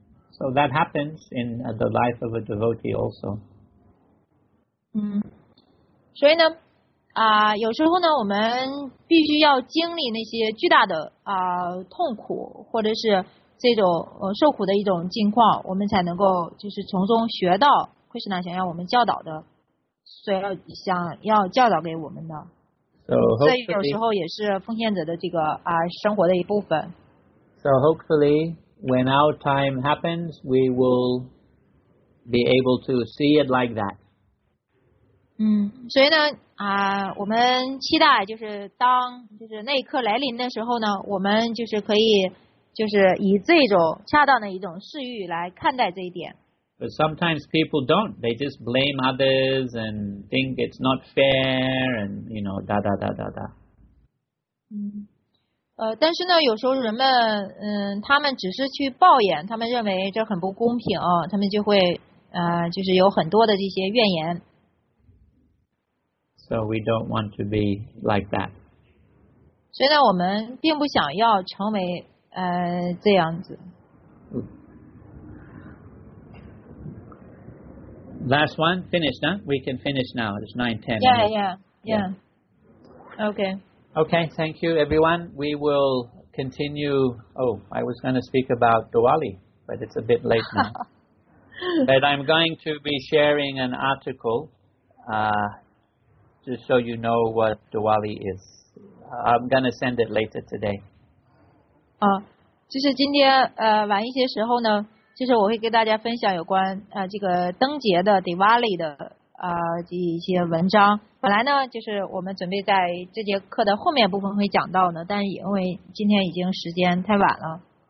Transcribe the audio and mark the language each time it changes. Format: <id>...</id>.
<en>So that happens in the life of a devotee also.</en> <zh>所以呢，有时候呢，我们必须要经历那些巨大的痛苦，或者是这种受苦的一种境况，我们才能够就是从中学到。 Krishna 想要我们教导的，想要教导给我们的，所以有时候也是奉献者的这个生活的一部分。</zh> <en>So hopefully, when our time happens, we will be able to see it like that.</en> <zh>所以呢我们期待就是当就是那一刻来临的时候呢，我们就是可以就是以这种恰当的一种视域来看待这一点。</zh> <en>But sometimes people don't. They just blame others and think it's not fair and, you know, da da da da da.</en> <zh>但是呢，有时候人们，他们只是去抱怨，他们认为这很不公平，他们就会，就是有很多的这些怨言。</zh> <en>So we don't want to be like that.</en> <zh>所以呢，我们并不想要成为，这样子。</zh> <en>Last one, finished, huh? We can finish now. It's 9:10. Okay. Okay, thank you, everyone. We will continue. Oh, I was going to speak about Diwali, but it's a bit late now. But I'm going to be sharing an article just so you know what Diwali is. I'm going to send it later today.</en> <zh>就是今天晚一些时候呢，就是我会跟大家分享有关这个灯节的 Diwali 的一些文章。本来呢，就是我们准备在这节课的后面部分会讲到呢，但是因为今天已经时间太晚了。</zh>